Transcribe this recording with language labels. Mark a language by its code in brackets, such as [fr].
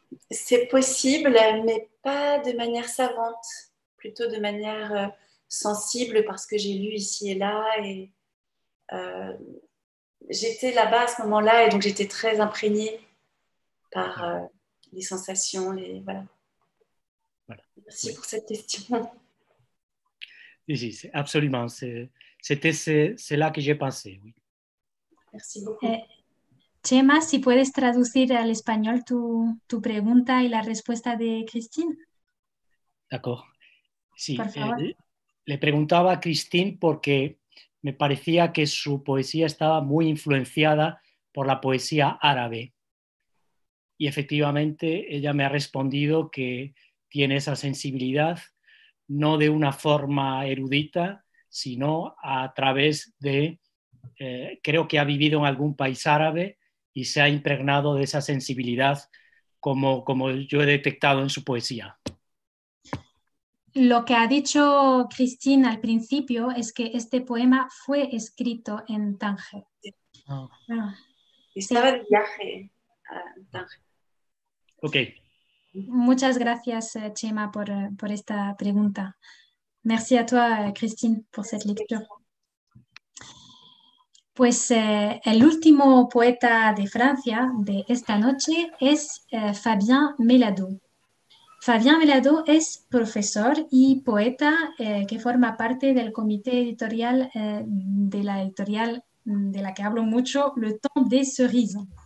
[fr] C'est possible, mais pas de manière savante, plutôt de manière sensible, parce que j'ai lu ici et là, et j'étais là-bas à ce moment-là, et donc j'étais très imprégnée par les sensations, et voilà. Voilà. Merci pour cette question. Oui, c'est absolument, c'est... C'était cela que j'ai pensé, oui. Merci beaucoup. [es] Chema, si puedes traducir al español tu pregunta y la respuesta de Christine. [fr] D'accord. Sí, [es] por favor. Le preguntaba a Christine porque me parecía que su poesía estaba muy influenciada por la poesía árabe. Y efectivamente ella me ha respondido que tiene esa sensibilidad, no de una forma erudita, sino a través de, creo que ha vivido en algún país árabe y se ha impregnado de esa sensibilidad como yo he detectado en su poesía. Lo que ha dicho Christine al principio es que este poema fue escrito en Tánger. Estaba de viaje a Tánger. Okay. Muchas gracias, Chema, por esta pregunta. [fr] Merci a toi, Christine, por cette lecture. [es] Pues el último poeta de Francia de esta noche es Fabien Melado. Fabien Melado es profesor y poeta que forma parte del comité editorial de la editorial de la que hablo mucho, Le Temps des Cerises.